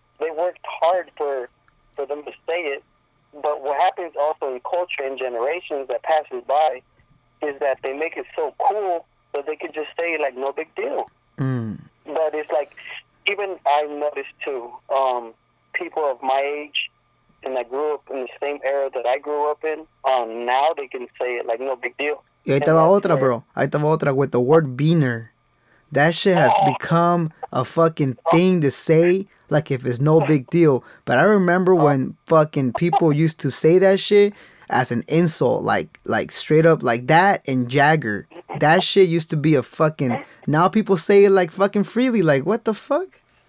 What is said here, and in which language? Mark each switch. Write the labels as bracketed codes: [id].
[en] They worked hard for them to say it. But what happens also in culture and generations that passes by is that they make it so cool that they could just say, like, no big deal. But it's like, even I noticed too, people of my age and that grew up in the same era that I grew up in, now they can say it like no big deal. [es] Y ahí estaba otra, bro. Ahí estaba otra [en] with the word beaner. That shit has become a fucking thing to say, like if it's no big deal. But I remember when fucking people used to say that shit as an insult, like straight up like that and Jagger. That shit used to be a fucking, now people say it like fucking freely, like what the fuck?